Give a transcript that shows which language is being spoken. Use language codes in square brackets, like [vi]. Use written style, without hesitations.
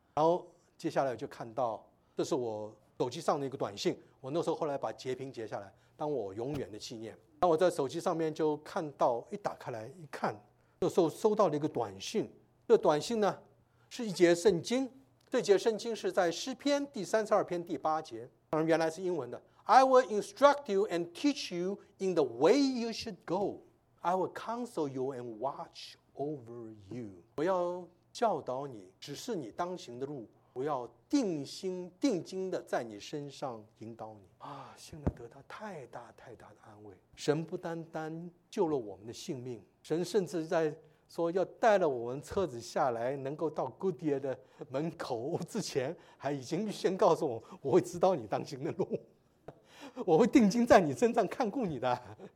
[zh] 然后接下来就看到，这是我手机上的一个短信，我那时候后来把截屏截下来，当我永远的纪念。那我在手机上面就看到，一打开来一看，这时候收到了一个短信。这短信呢，是一节圣经，这节圣经是在诗篇第32篇第8节，当然原来是英文的。 [en] I will instruct you and teach you in the way you should go. I will counsel you and watch over you. [zh] 我要教导你，指示你当行的路。我要定心定睛的在你身上引导你啊！现在得到太大太大的安慰。神不单单救了我们的性命，神甚至在说要带了我们车子下来，能够到 Goodyear 的门口之前，还已经先告诉我，我会知道你当行的路，我会定睛在你身上看顾你的。